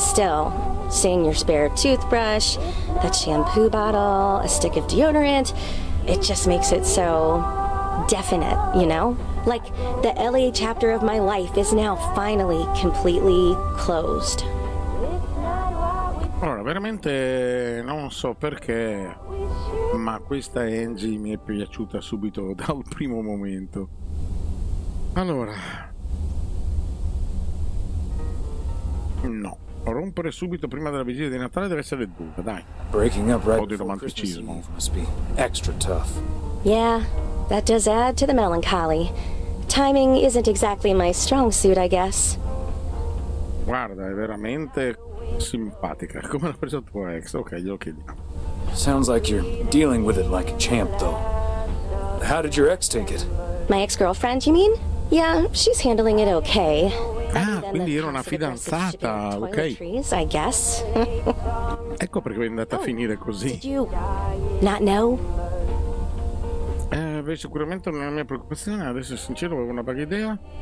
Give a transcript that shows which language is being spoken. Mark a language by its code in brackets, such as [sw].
[en] Still, seeing your spare toothbrush, that shampoo bottle, a stick of deodorant, it just makes it so definite, you know? Like, the LA chapter of my life is now finally completely closed. [it] Allora, veramente non so perché, ma questa Angie mi è piaciuta subito dal primo momento. Allora, no, rompere subito prima della vigilia di Natale deve essere dura, dai. [en] Breaking up right before Christmas Eve must be extra tough. Yeah, that does add to the melancholy. Timing isn't exactly my strong suit, I guess. [it] Guarda, è veramente simpatica, come l'ha preso tuo ex. Ok, glielo chiediamo. [en] Sounds like you're dealing with it like a champ, though. How did your ex take it? My ex-girlfriend, you mean? Yeah, she's handling it okay. [it] Ah, quindi era una fidanzata, ok. [en] I guess. [it] Ecco perché è andata a finire così. [en] Did you not know? [it] Beh, sicuramente non è la mia preoccupazione. Adesso, sincero, avevo una vaga idea.